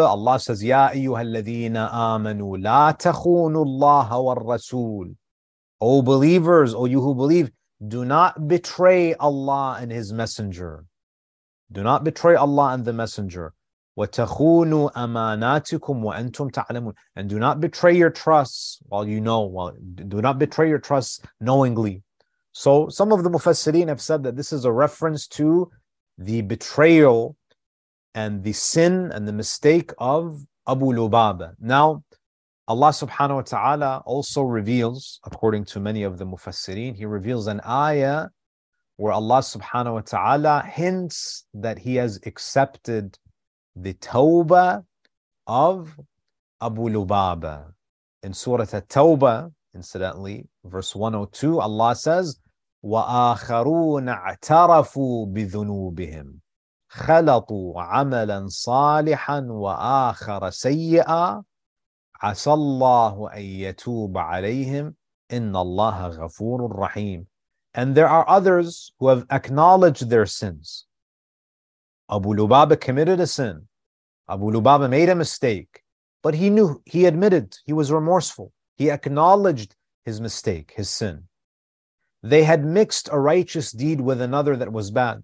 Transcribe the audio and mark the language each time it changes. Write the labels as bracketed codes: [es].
[en] Allah says, [ar] يَا أَيُّهَا الَّذِينَ آمَنُوا لَا تَخُونُوا اللَّهَ وَالرَّسُولُ. [en] O believers, O you who believe, do not betray Allah and His Messenger. Do not betray Allah and the Messenger. [ar] وَتَخُونُوا أَمَانَاتِكُمْ وَأَنْتُمْ تَعْلَمُونَ. [en] And do not betray your trusts while you know. Do not betray your trusts knowingly. So some of the Mufassirin have said that this is a reference to the betrayal and the sin and the mistake of Abu Lubaba. Now, Allah subhanahu wa ta'ala also reveals, according to many of the Mufassirin, He reveals an ayah where Allah subhanahu wa ta'ala hints that He has accepted the tawbah of Abu Lubaba. In Surah At-Tawbah, incidentally, verse 102, Allah says, [ar] وَآخَرُونَ اَعْتَرَفُوا بِذُنُوبِهِمْ خَلَطُوا عَمَلًا صَالِحًا وَآخَرَ سَيِّئًا عَسَى اللَّهُ أَن يَتُوبَ عَلَيْهِمْ إِنَّ اللَّهَ غَفُورٌ رَحِيمٌ. [en] And there are others who have acknowledged their sins. Abu Lubaba committed a sin. Abu Lubaba made a mistake. But he knew, he admitted, he was remorseful. He acknowledged his mistake, his sin. They had mixed a righteous deed with another that was bad.